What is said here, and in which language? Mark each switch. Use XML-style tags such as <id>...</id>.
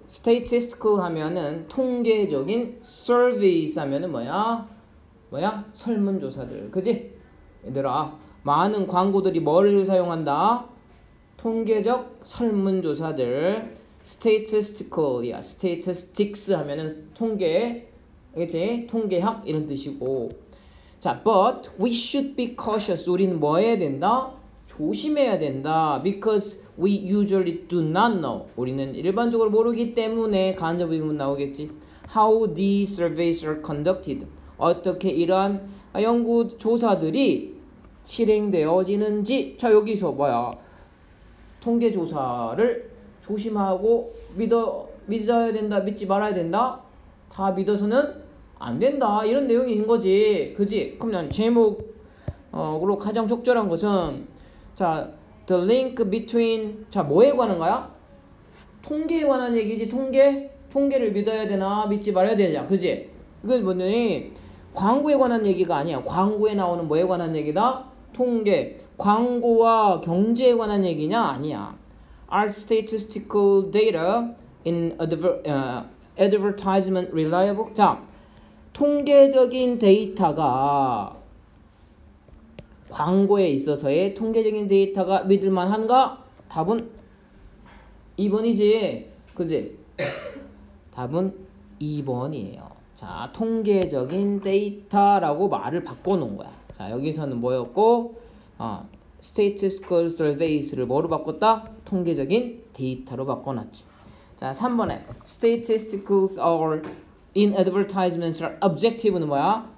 <ko>statistical 하면은 통계적인, service 하면은 뭐야? 설문조사들. 그지? 얘들아, 많은 광고들이 뭐를 사용한다? 통계적 설문조사들. statistical이야. statistics 하면은 통계. 알겠지? 통계학 이런 뜻이고.</ko> <en>자, but we should be cautious.</en> <ko>우리는 뭐 해야 된다? 조심해야 된다.</ko> <en>Because we usually do not know.</en> <ko>우리는 일반적으로 모르기 때문에 간접 의문 나오겠지.</ko> <en>How these surveys are conducted.</en> <ko>어떻게 이러한 연구 조사들이 실행되어지는지. 자, 여기서 뭐야? 통계 조사를 조심하고 믿어야 된다. 믿지 말아야 된다. 다 믿어서는 안 된다. 이런 내용인 거지. 그지? 그럼 제목으로 가장 적절한 것은 자,</ko> <en>the link between</en> <ko>자, 뭐에 관한 거야? 통계에 관한 얘기지. 통계? 통계를 믿어야 되나 믿지 말아야 되냐. 그지? 그건 뭐냐니 광고에 관한 얘기가 아니야. 광고에 나오는 뭐에 관한 얘기다? 통계. 광고와 경제에 관한 얘기냐? 아니야.</ko> <en>Are statistical data in advertisement reliable?</en> <ko>자, 통계적인 데이터가 광고에 있어서의 통계적인 데이터가 믿을만한가? 답은 2번이지. 그지? 답은 2번이에요. 자, 통계적인 데이터라고 말을 바꿔놓은 거야. 자, 여기서는 뭐였고? Statistical surveys를 뭐로 바꿨다? 통계적인 데이터로 바꿔놨지. 자, 3번에</ko> <en>Statisticals are in advertisements are objective는</en> <ko>뭐야?</ko>